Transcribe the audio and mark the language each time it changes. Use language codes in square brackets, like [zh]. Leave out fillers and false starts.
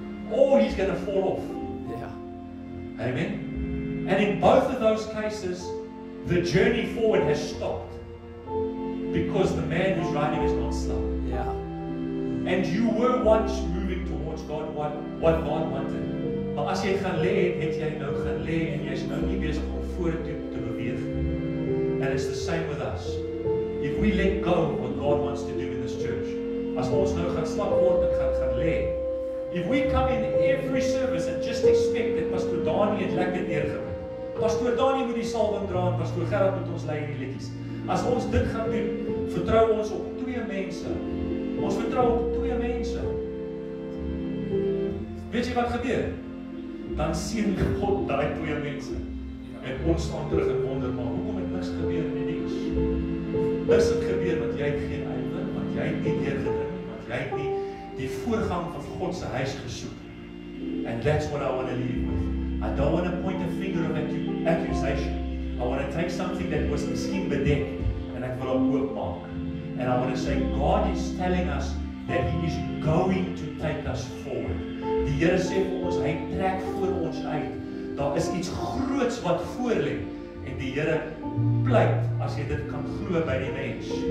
[en] Or he's going to fall off. Yeah. Amen. And in both of those cases, the journey forward has stopped. Because the man who's riding is not slow. Yeah. And you were once moving towards God, what God wanted. [af] But as jy gaan lê, het jy nou gaan lê en jy is nou nie besig om vorentoe te beweeg. [en] And it's the same with us. If we let go of what God wants to do in this church, [af] as ons nou gaan slap word en gaan lê, [en] if we come in every service and just expect that Pastor Dani [af] het lekker neergebid, Pastor Dani moet die salwing dra en Pastor Gerard moet ons lei in die liedjies. As ons dit gaan doen, vertrou ons op twee mense. Ons vertrou op twee mense. Weet jy wat gebeur? Dan sien God daai twee mense. En ons staan terug en wonder, maar hoekom het my niks gebeur in die diens. Niks het gebeur wat jy geen eiwer, wat jy nie deurgedring nie, wat jy nie die voorgang van God se huis gesoek. [en] And that's what I want to leave with. I don't want to point a finger of accusation. I want to take something that was misschien bedek and [af] ek wil oop maak. [en] And I want to say God is telling us that he is going to take us forward. [af] Die Here sê vir ons, hy trek voor ons uit. Daar is iets groots wat voor lê en die Here pleit as jy dit kan glo by die mens.